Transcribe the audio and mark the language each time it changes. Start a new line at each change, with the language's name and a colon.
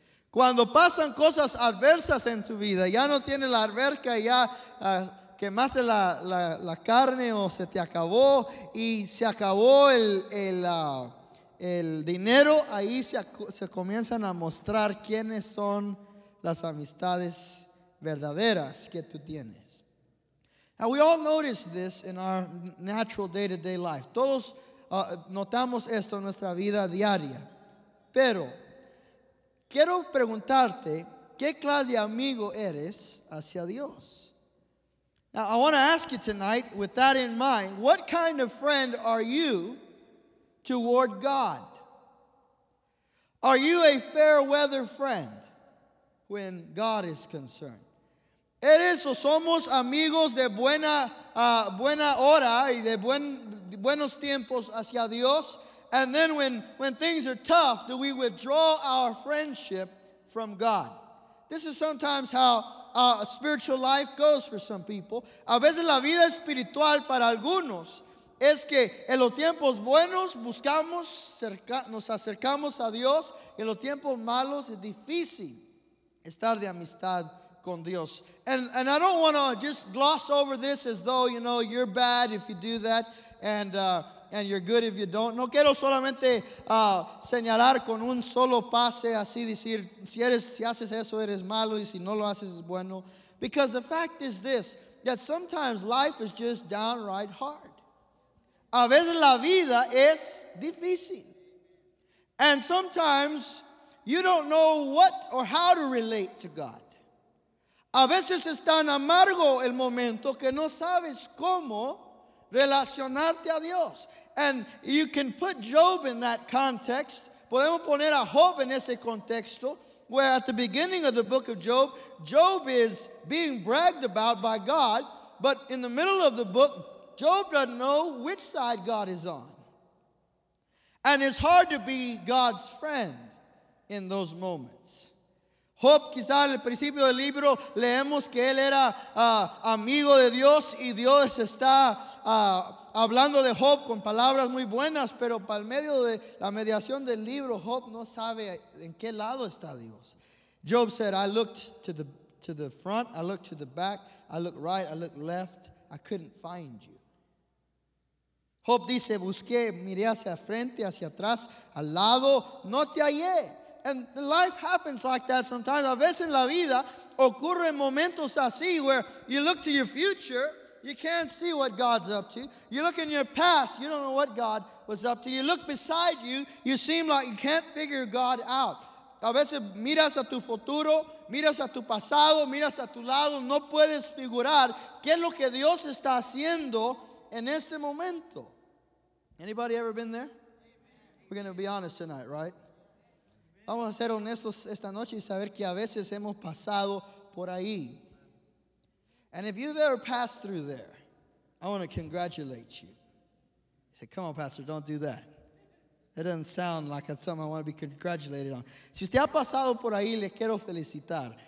Spanish: Cuando pasan cosas adversas en tu vida, ya no tienes la alberca, ya quemaste la carne o se te acabó y se acabó el dinero, ahí se comienzan a mostrar quiénes son las amistades verdaderas que tú tienes.
English: Now we all notice this in our natural day-to-day life.
Spanish: Todos notamos esto en nuestra vida diaria. Pero quiero preguntarte, ¿qué clase de amigo eres hacia Dios?
English: Now I want to ask you tonight, with that in mind, what kind of friend are you toward God? Are you a fair weather friend when God is concerned? ¿Eres o somos amigos de buena hora y de buenos tiempos hacia Dios? And then when things are tough, do we withdraw our friendship from God? This is sometimes how spiritual life goes for some people.
Spanish: A veces la vida espiritual para algunos es que en los tiempos buenos buscamos, nos acercamos a Dios. En los tiempos malos es difícil estar de amistad con Dios.
English: And I don't want to just gloss over this as though, you know, you're bad if you do that. And you're good if you don't.
Spanish: No quiero solamente señalar con un solo pase, así decir, si haces eso eres malo y si no lo haces es bueno.
English: Because the fact is this, that sometimes life is just downright hard.
Spanish: A veces la vida es difícil.
English: And sometimes you don't know what or how to relate to God.
Spanish: A veces es tan amargo el momento que no sabes cómo relacionarte a Dios.
English: And you can put Job in that context.
Spanish: Podemos poner a Job en ese contexto,
English: where at the beginning of the book of Job, Job is being bragged about by God, but in the middle of the book, Job doesn't know which side God is on. And it's hard to be God's friend in those moments.
Spanish: Job, quizá al principio del libro, leemos que él era amigo de Dios y Dios está hablando de Job con palabras muy buenas, pero para el medio de la mediación del libro, Job no sabe en qué lado está Dios.
English: Job said, I looked to the front, I looked to the back, I looked right, I looked left, I couldn't find you.
Spanish: Job dice, busqué, miré hacia frente, hacia atrás, al lado, no te hallé.
English: And life happens like that sometimes.
Spanish: A veces en la vida ocurren momentos así
English: where you look to your future, you can't see what God's up to. You look in your past, you don't know what God was up to. You look beside you, you seem like you can't figure God out.
Spanish: A veces miras a tu futuro, miras a tu pasado, miras a tu lado, no puedes figurar qué es lo que Dios está haciendo en este momento.
English: Anybody ever been there? We're going to be honest tonight, right?
Spanish: Vamos a ser honestos esta noche y saber que a veces hemos pasado por ahí.
English: And if you've ever passed through there, I want to congratulate you. He said, come on, Pastor, don't do that. That doesn't sound like it's something I want to be congratulated on.
Spanish: Si usted ha pasado por ahí, le quiero felicitar.